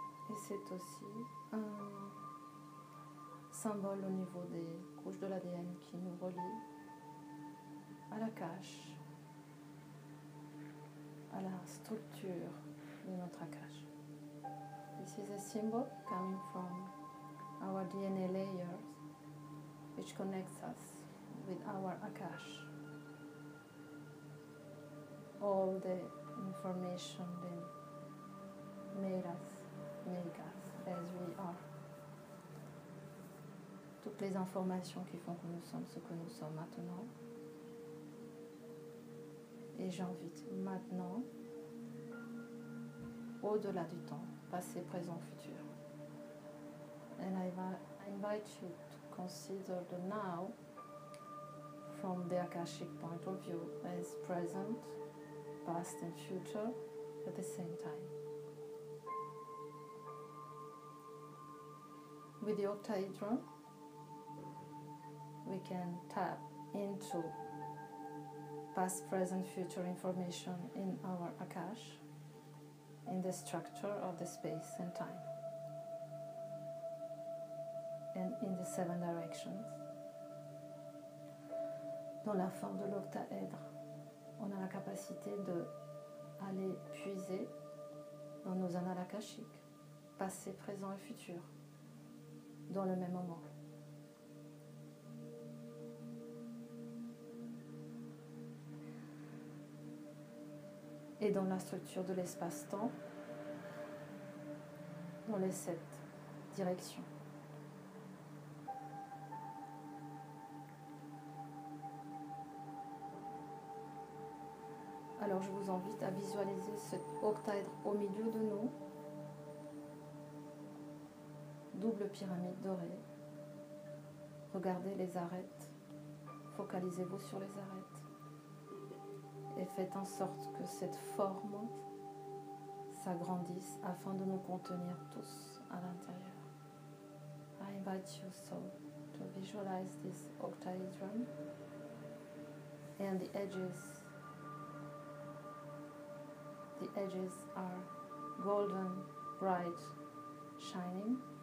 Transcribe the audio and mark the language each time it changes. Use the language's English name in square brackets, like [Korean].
[French] Et c'est aussi un symbole au niveau des couches de l'ADN qui nous relie à la cache, à la structure de notre Akash. [English] This is a symbol coming from our DNA layers, which connects us with our Akash. All the information that make us as we are. [French] Toutes les informations qui font que nous sommes ce que nous sommes maintenant. Et j'invite maintenant, au-delà du temps, passé, présent, futur. [English] And I invite you to consider the now from the Akashic point of view as present, past and future at the same time. With the octahedron, we can tap into past, present, future information in our Akash, in the structure of the space and time, and in the seven directions. [French] Dans la forme de l'octaèdre, on a la capacité de aller puiser dans nos annales akashiques, passé, présent et futur, dans le même moment. Et dans la structure de l'espace-temps, dans les sept directions. Alors je vous invite à visualiser cet octaèdre au milieu de nous, double pyramide dorée. Regardez les arêtes, focalisez-vous sur les arêtes. Et faites en sorte que cette forme s'agrandisse afin de nous contenir tous à l'intérieur. [English] I invite you so to visualize this octahedron and the edges are golden, bright, shining.